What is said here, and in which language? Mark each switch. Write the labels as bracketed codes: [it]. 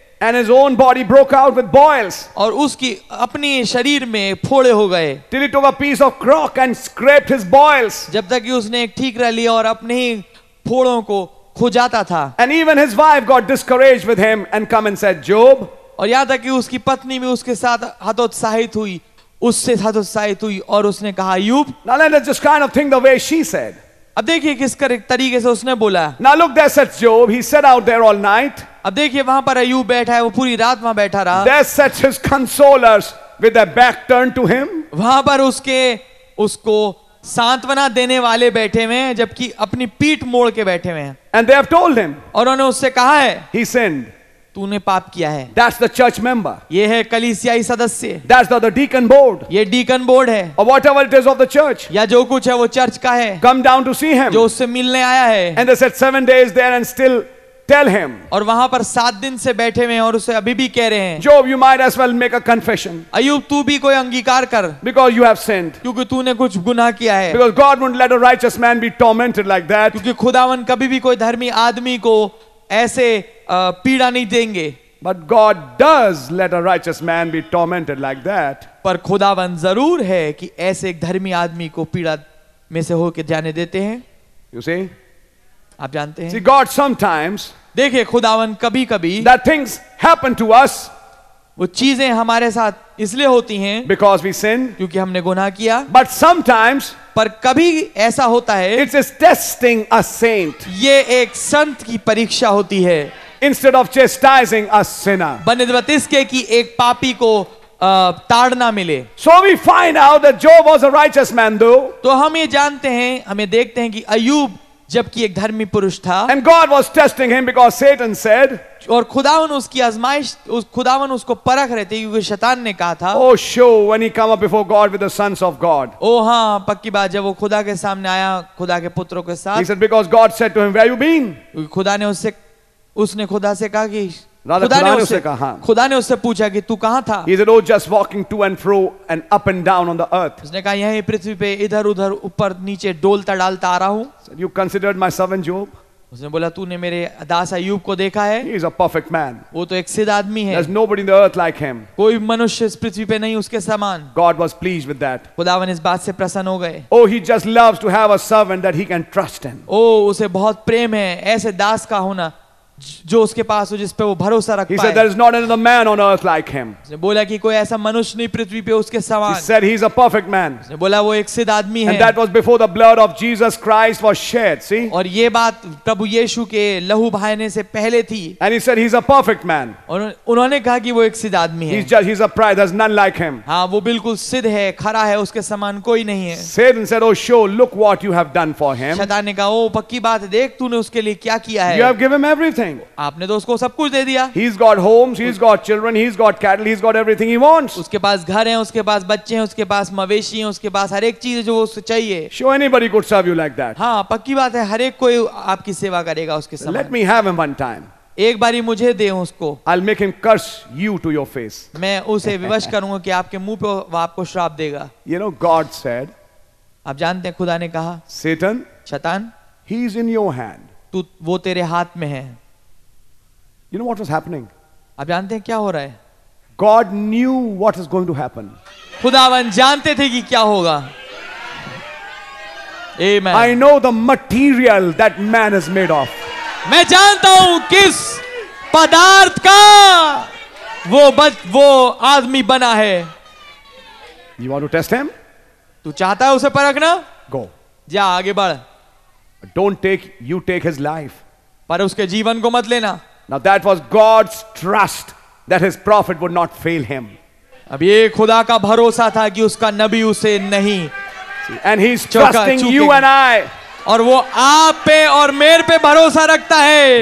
[en] And his own body broke out with boils. [hi] और उसकी अपने शरीर में फोड़े हो गए. [en] Till he took a piece of crock and scraped his boils. [hi] जब तक कि उसने एक ठीकरा लिया और अपने ही फोड़ों को खुजाता था. [en] And even his wife got discouraged with him and come and said, Job. [hi] और याद है कि उसकी पत्नी भी उसके साथ हतोत्साहित हुई. उससे हतोत्साहित हुई और उसने कहा, Job. [en] Now then, that's just kind of thing the way she said. [hi] अब देखिए किस तरीके से उसने बोला. [en] Now look, there sits Job. He sat out there all night. [hi] अब देखिए वहां पर अय्यूब बैठा है वो पूरी रात वहां बैठा रहा [en] There sat his consolers with their back turned to him. [hi] वहां पर उसके उसको सांत्वना देने वाले बैठे हुए हैं जबकि अपनी पीठ मोड़ के बैठे हुए हैं [en] And they have told him, [hi] और उन्होंने उससे कहा है [en] He sinned. [hi] तूने पाप किया है [en] That's the church member. [hi] ये है कलीसियाई सदस्य [en] That's the deacon board. [hi] ये डीकन बोर्ड है [en] Or whatever it is of the church. [hi] या जो कुछ है वो चर्च का है [en] Come down to see him. [hi] जो उससे मिलने आया है [en] And they sat 7 days there and still Tell him. [hi] और वहां पर सात दिन से बैठे हुए हैं और उसे अभी भी कह रहे हैं [en] Job, you might as well make a confession. [hi] अय्यूब तू भी कोई अंगीकार कर [en] Because you have sinned. [hi] क्योंकि तूने कुछ गुनाह किया है [en] Because God won't let a righteous man be tormented like that. [hi] क्योंकि खुदावन कभी भी कोई धर्मी आदमी को ऐसे पीड़ा नहीं देंगे [en] But God does let a righteous man be tormented like that. [hi] पर खुदावन जरूर है कि ऐसे एक धर्मी आदमी को पीड़ा में से होकर जाने देते हैं [en] You see? [hi] आप जानते हैं [en] See, God sometimes [hi] देखिए खुदावन कभी कभी [en] that things happen to us [hi] वो चीजें हमारे साथ इसलिए होती हैं [en] because we sin [hi] क्योंकि हमने गुनाह किया [en] but sometimes [hi] पर कभी ऐसा होता है [en] it is testing a saint [hi] ये एक संत की परीक्षा होती है [en] instead of chastising a sinner [hi] बनिस्बत इसके कि एक पापी को ताड़ना मिले [en] So we find out that Job was a righteous man though [hi] तो हम ये जानते हैं हमें देखते हैं कि अय्यूब जबकि एक धर्मी पुरुष था [en] And God was testing him because Satan said, [hi] और खुदावन उसकी आजमाइश खुदावन उसको परख रहे थे क्योंकि शैतान ने कहा था [en] Oh, sure, when he come up before God with the sons of God. [hi] ओ हाँ पक्की बात जब वो खुदा के सामने आया खुदा के पुत्रों के साथ [en] He said, because God said to him, Where have you been? [hi] खुदा ने उससे उसने खुदा से कहा कि खुदा ने उससे पूछा कि तू कहां था [en] He said, oh, just walking to and fro and up and down on the earth. [hi] उसने कहा यहीं पृथ्वी पे इधर उधर ऊपर नीचे डोलता डालता आ रहा हूं [en] said, you considered my servant Job? [hi] उसने बोला तूने मेरे दास अय्यूब को देखा है [en] He is a perfect man. [hi] वो तो एक सिद्ध आदमी है [en] There's nobody in the earth like him. [hi] कोई मनुष्य इस पृथ्वी पे नहीं उसके समान [en] God was pleased with that. [hi] खुदावन इस बात से प्रसन्न हो गए [en] Oh, he just loves to have a servant that he can trust in. [hi] Oh, उसे बहुत प्रेम है ऐसे दास का होना जो उसके पास हो जिस पे वो भरोसा रख पाए। [en] He said there is not another man on earth like him. [hi] उसने बोला कि कोई ऐसा मनुष्य नहीं पृथ्वी पे उसके समान। [en] He said he is a perfect man. [hi] उसने बोला वो एक सिद्ध आदमी है। [en] And that was before the blood of Jesus Christ was shed. See? [hi] और ये बात प्रभु यीशु के लहू बहाने से पहले थी। [en] And he said he is a perfect man. [hi] और उन्होंने कहा कि वो एक सिद्ध आदमी है। [en] He's a pride. There's none like him. [hi] हाँ, वो बिल्कुल सिद्ध है, खरा है, उसके समान कोई नहीं है। [en] Satan said, Oh, show, look what you have done for him. [hi] शैतान ने कहा, ओ पक्की बात देख, तूने उसके लिए क्या किया है? [en] You have given everything. [hi] आपने तो उसको सब कुछ दे दिया [en] He's got homes, he's got children, he's got cattle, he's got everything he wants. [hi] उसके पास घर है उसके पास बच्चे हैं उसके पास मवेशी हैं उसके पास हर एक चीज जो उसे चाहिए [en] Show anybody could serve you like that. [hi] हाँ, पक्की बात है हर एक कोई आपकी सेवा करेगा उसके समान [en] Let me have him one time. [hi] एक बारी मुझे दे उसको [en] I'll make him curse you to your face. [hi] मैं उसे विवश करूंगा कि आपके मुंह पे वो आपको श्राप देगा. [en] You know, God said, [hi] आप जानते हैं खुदा ने कहा [en] Satan, [hi] शतान, [en] he is in your hand. [hi] तू वो तेरे हाथ में है. [en] You know what was happening? [hi] आप जानते हैं क्या हो रहा है? [en] God knew what is going to happen. [hi] खुदावन जानते थे कि क्या होगा. [en] Amen. I know the material that man is made of. [hi] मैं जानता हूं किस पदार्थ का वो आदमी बना है. [en] You want to test him? [hi] तू चाहता है उसे परखना? [en] Go. [hi] जा आगे बढ़. [en] Don't take, you take his life. [hi] पर उसके जीवन को मत लेना. [en] Now that was God's trust that his prophet would not fail him. [hi] अब ये खुदा का भरोसा था कि उसका नबी उसे नहीं. [en] And he's trusting you and I. [hi] और वो आप पे और मेरे पे भरोसा रखता है.